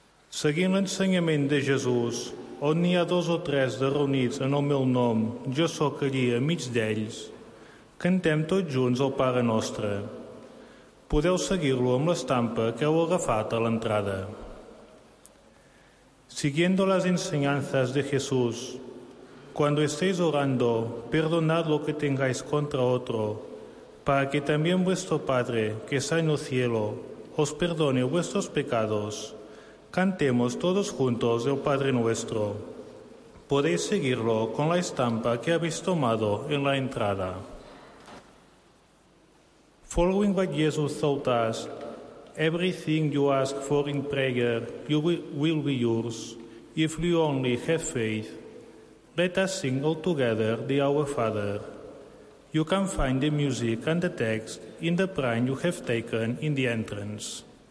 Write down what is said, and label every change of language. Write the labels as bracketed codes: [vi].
[ca] Seguint l'ensenyament de Jesús, on n'hi ha dos o tres de reunits en el meu nom, jo sóc allí a mig d'ells, cantem tots junts el Pare Nostre. Podeu seguir-lo amb l'estampa que heu agafat a l'entrada. [es] Siguiendo las enseñanzas de Jesús, cuando estéis orando, perdonad lo que tengáis contra otro, para que también vuestro Padre, que está en el cielo, os perdone vuestros pecados. Cantemos todos juntos el Padre Nuestro. Podéis seguirlo con la estampa que habéis tomado en la entrada. [en] Following what Jesus taught us, everything you ask for in prayer will be yours if you only have faith. Let us sing all together the Our Father. You can find the music and the text in the prayer you have taken in the entrance.